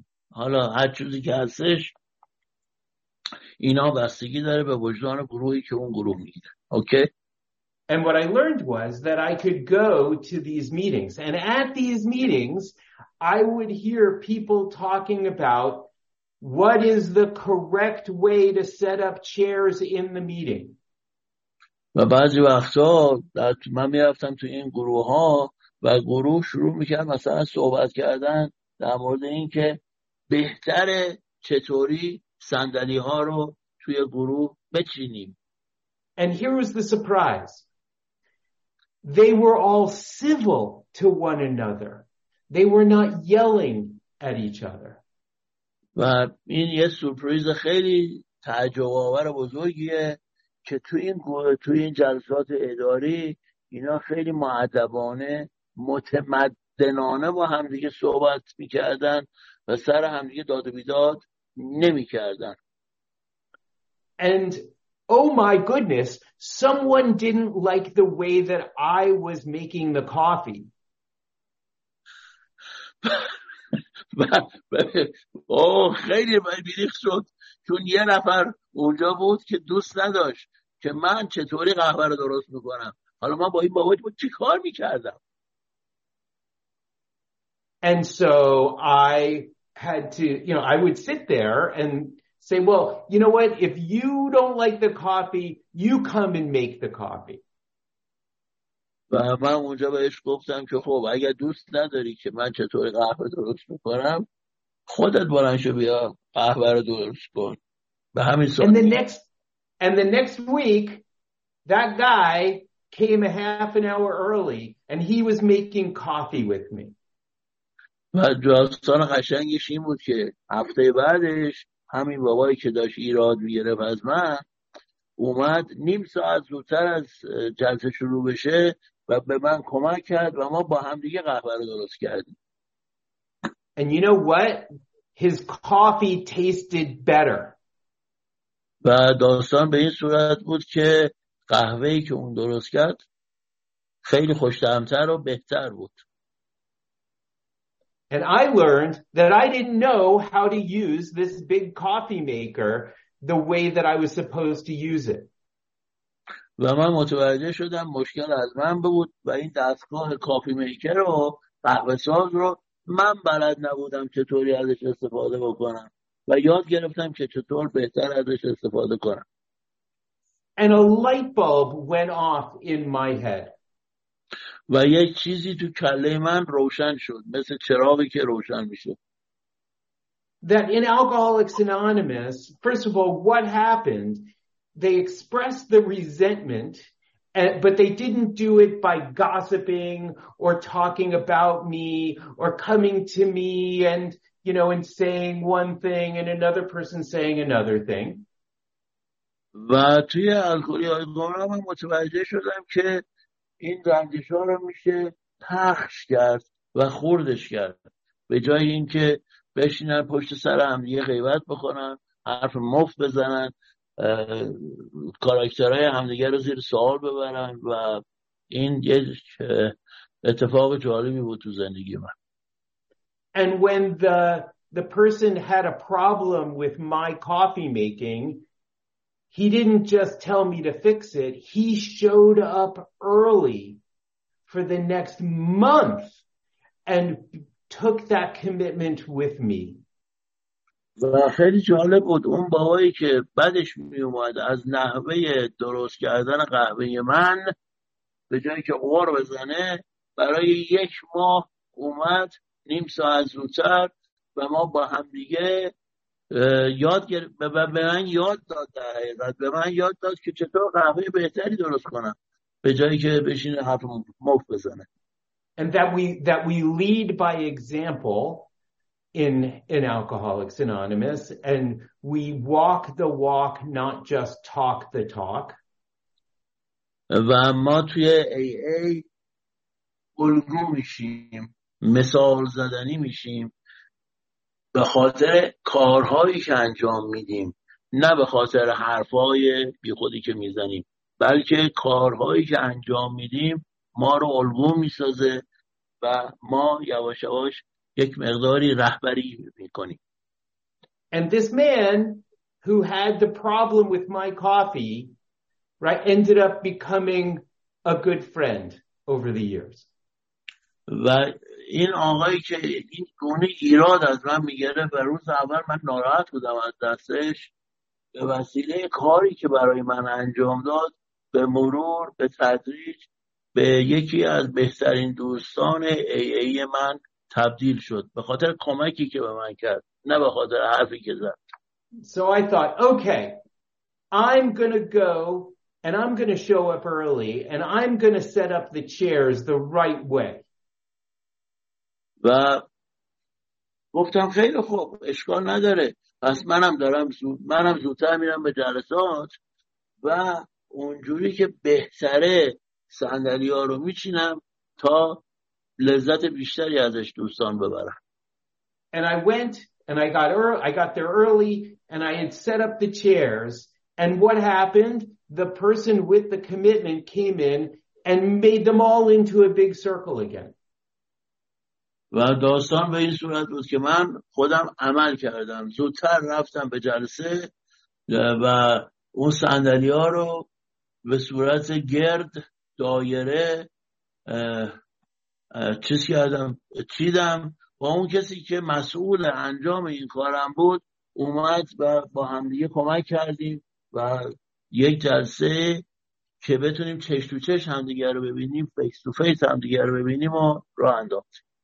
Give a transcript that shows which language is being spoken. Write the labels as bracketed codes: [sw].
[fa] حالا هر چیزی که هستش اینا بستگی داره به وجدان گروهی که اون گروه میگیره. اوکی؟ [en] And what I learned was that I could go to these meetings, and at these meetings I would hear people talking about what is the correct way to set up chairs in the meeting. [fa] و بعضی وقتا من میرفتم تو این گروه ها و گروه شروع میکرد مثلا صحبت کردن در مورد این که بهتره چطوری صندلی ها رو توی گروه بچینیم. [en] And here was the surprise. They were all civil to one another. They were not yelling at each other. [fa] و این یه سورپرایز خیلی تعجب آور بزرگیه که توی این گروه، توی این جلسات اداری اینا خیلی مؤدبانه متمدنانه با همدیگه صحبت میکردن و سر همدیگه داد و بیداد نمی کردن. [en] And oh my goodness, someone didn't like the way that I was making the coffee. [fa] Oh, خیلی بیریخ شد چون یه نفر اونجا بود که دوست نداشت که من چطوری قهوه رو درست میکنم. حالا من با این بابا چی کار میکردم؟ [en] And so I had to, you know, I would sit there and say, well, you know what, if you don't like the coffee, you come and make the coffee. [fa] و من اونجا بهش گفتم که خب اگر دوست نداری که من چطور قهوه درست بکنم خودت برن شو بیا قهوه رو درست کن. به همین سال [en] and the next week that guy came half an hour early and he was making coffee with me. [fa] و داستان قشنگش این بود که هفته بعدش همین بابایی که داشت ایراد می‌گرفت از من اومد نیم ساعت زودتر از جلسه شروع بشه و به من کمک کرد و ما با هم دیگه قهوه رو درست کردیم. [en] And you know what? His coffee tasted better. [fa] و داستان به این صورت بود که قهوه‌ای که اون درست کرد خیلی خوش‌طعم‌تر و بهتر بود. [en] And I learned that I didn't know how to use this big coffee maker the way that I was supposed to use it. [fa] و من متوجه شدم مشکل از من بود و این دستگاه کافی میکر و قهوه ساز رو من بلد نبودم چطوری ازش استفاده بکنم و یاد گرفتم که چطور بهتر ازش استفاده کنم. [en] And a light bulb went off in my head. [fa] و یک چیزی تو کله من روشن شد، مثل چراغی که روشن میشه. [en] That in Alcoholics Anonymous, first of all, what happened? They expressed the resentment, but they didn't do it by gossiping or talking about me or coming to me and, you know, and saying one thing and another person saying another thing. [fa] و توی الکلی‌آنونیموس من متوجه شدم که این رنجش ها رو میشه پخش کرد و خوردش کرد به جای اینکه بشینن پشت سر هم یه غیبت بکنن، حرف مفت بزنن کاراکترهای همدیگر رو زیر سوال ببرن و این یه اتفاق جالبی بود تو زندگی من. [en] And when the person had a problem with my coffee making, he didn't just tell me to fix it, he showed up early for the next month and took that commitment with me. [fa] و خیلی جالب بود اون باهایی که بعدش می اومد از نحوه درست کردن قهوه من به جایی که غر بزنه برای یک ماه اومد نیم ساعت زودتر و ما با هم دیگه یاد گرفت به من یاد داد در حقیقت به من یاد داد که چطور قهوه بهتری درست کنم به جایی که بشینه حرف مفت بزنه. [en] And that we lead by example in Alcoholics Anonymous, and we walk the walk, not just talk the talk. [fa] و ما توی AA الگو میشیم، مثال زدنی میشیم به خاطر کارهایی که انجام میدیم، نه به خاطر حرفای بی خودی که میزنیم، بلکه کارهایی که انجام میدیم ما رو الگو میسازه و ما یواش یواش یک مقداری رهبری میکنیم. [en] And this man who had the problem with my coffee, right, ended up becoming a good friend over the years. [fa] و این آقایی که این گونه ایراد از من میگیره و روز اول من ناراحت بودم از دستش، به وسیله کاری که برای من انجام داد به مرور به تدریج به یکی از بهترین دوستان AA من تبدیل شد به خاطر کمکی که به من کرد نه به خاطر حرفی که زد. [en] So I thought, okay, I'm gonna go and I'm gonna show up early and I'm gonna set up the chairs the right way. [fa] و گفتم خیلی خوب اشکال نداره پس منم زودتر میرم به جلسات و اونجوری که بهتره صندلی ها رو میچینم تا لذت بیشتری ازش دوستان ببرم. [en] And I went and I got there early and I had set up the chairs and what happened? The person with the commitment came in and made them all into a big circle again. [fa] و داستان به این صورت بود که من خودم عمل کردم. زودتر رفتم به جلسه و اون صندلی ها رو به صورت گرد دایره چیز کردم چیدم و اون کسی که مسئول انجام این کارم بود اومد و با همدیگه کمک کردیم و یک جلسه که بتونیم چش تو چش همدیگه رو ببینیم فیس تو فیس همدیگه رو ببینیم و راه انداختیم.